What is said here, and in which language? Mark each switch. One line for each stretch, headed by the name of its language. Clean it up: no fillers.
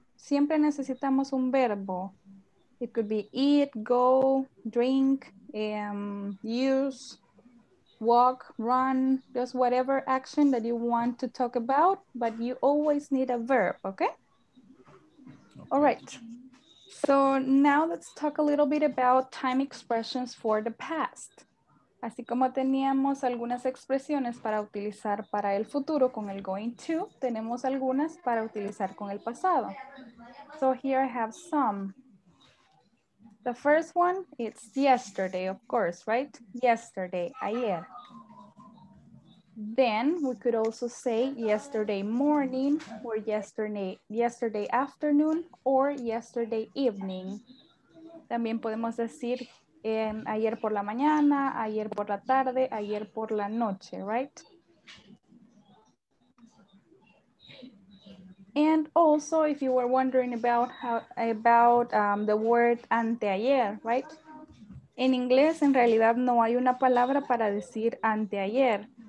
Spanish: Siempre necesitamos un verbo.
English: It could be eat, go, drink, use, walk, run, just whatever action that you want to talk about, but you always need a verb, okay? All right. So now let's talk a little bit about time expressions for the past.
Spanish: Así como teníamos algunas expresiones para utilizar para el futuro con el going to, tenemos algunas para utilizar con el pasado.
English: So here I have some. The first one, it's yesterday, of course, right? Yesterday, ayer. Then we could also say yesterday morning or yesterday afternoon or yesterday evening.
Spanish: También podemos decir ayer por la mañana, ayer por la tarde, ayer por la noche, right?
English: And also if you were wondering about the word anteayer, right?
Spanish: En inglés en realidad no hay una palabra para decir anteayer.